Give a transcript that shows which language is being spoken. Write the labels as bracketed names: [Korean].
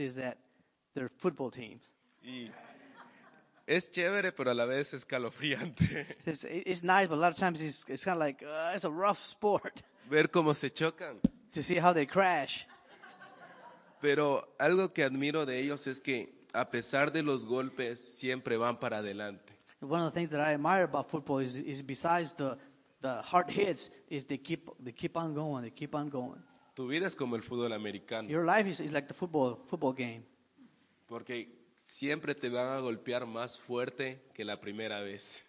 [English] is that their football teams. [Spanish] Y es chévere, pero a la vez escalofriante. [English] It's nice, but a lot of times it's kind of like it's a rough sport. [Spanish] Ver cómo se chocan. [English] To see how they crash. [Spanish] Pero algo que admiro de ellos es que a pesar de los golpes siempre van para adelante. [English] One of the things that I admire about football is besides the hard hits, is they keep on going, they keep on going. [Spanish] Tu vida es como el fútbol americano. [English] Your life is like the football game. [Spanish] Porque siempre te van a golpear más fuerte que la primera vez.